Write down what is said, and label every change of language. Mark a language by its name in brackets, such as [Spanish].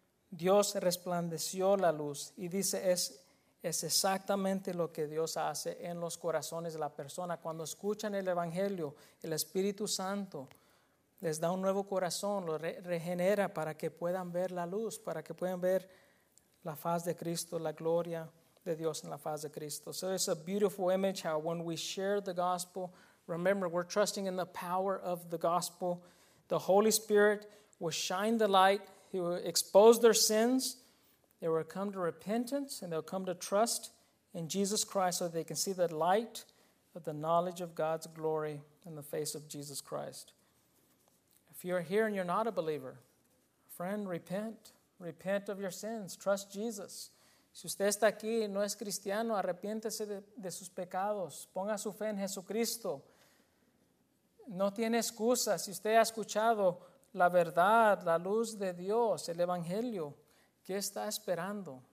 [Spanish] Dios resplandeció la luz. Y dice, es exactamente lo que Dios hace en los corazones de la persona. Cuando escuchan el Evangelio, el Espíritu Santo les da un nuevo corazón, lo regenera para que puedan ver la luz, para que puedan ver la faz de Cristo, la gloria de Dios en la faz de Cristo. [English] So it's a beautiful image how when we share the gospel, remember, we're trusting in the power of the gospel. The Holy Spirit will shine the light. He will expose their sins. They will come to repentance and they'll come to trust in Jesus Christ so they can see the light of the knowledge of God's glory in the face of Jesus Christ. If you're here and you're not a believer, friend, repent. Repent of your sins. Trust Jesus. [Spanish] Si usted está aquí y no es cristiano, arrepiéntese de sus pecados. Ponga su fe en Jesucristo. No tiene excusa. Si usted ha escuchado la verdad, la luz de Dios, el Evangelio, ¿qué está esperando?